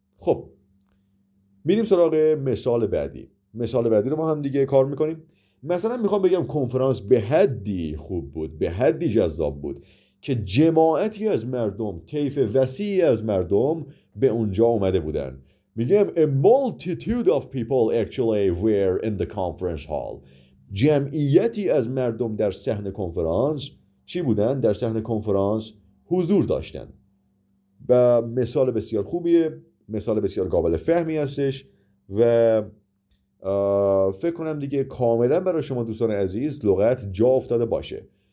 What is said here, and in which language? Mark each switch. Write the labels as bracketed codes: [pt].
[fa] خب میریم سراغ مثال بعدی. مثال بعدی رو ما هم دیگه کار میکنیم. مثلا میخوام بگم کنفرانس به حدی خوب بود، به حدی جذاب بود که جماعتی از مردم، طیف وسیعی از مردم به اونجا اومده بودن. میگم [en] a multitude of people actually were in the conference hall. [fa] جمعیتی از مردم در صحن کنفرانس چی بودن؟ در صحن کنفرانس حضور داشتن. و مثال بسیار خوبیه، مثال بسیار قابل فهمی هستش و فکر کنم دیگه کاملا برای شما دوستان عزیز لغت جا افتاده باشه.